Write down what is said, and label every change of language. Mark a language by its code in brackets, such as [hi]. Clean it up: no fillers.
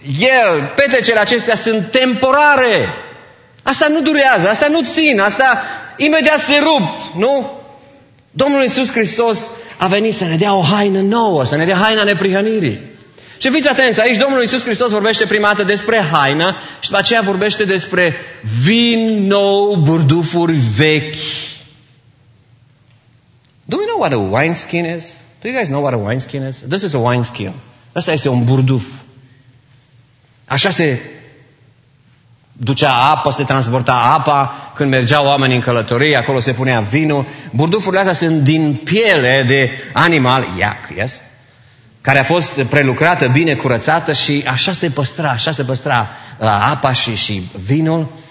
[ro] El, petecele acestea sunt temporare. Asta nu durează, asta nu țin, asta imediat se rup, nu? Domnul Iisus Hristos a venit să ne dea o haină nouă, să ne dea haina neprihănirii. Și fiți atenți, aici Domnul Iisus Hristos vorbește prima dată despre haină și după aceea vorbește despre vin nou, burdufuri vechi. [en] Do we know what a wineskin is? Do you guys know what a wineskin is? This is a wineskin. [ro] Asta este un burduf. Așa se ducea apă, se transporta apa când mergeau oamenii în călătorie, acolo se punea vinul. Burdufurile astea sunt din piele de animal, yak, [en] yes? [ro] Care a fost prelucrată, bine curățată și așa se păstra, așa se păstra apa și vinul.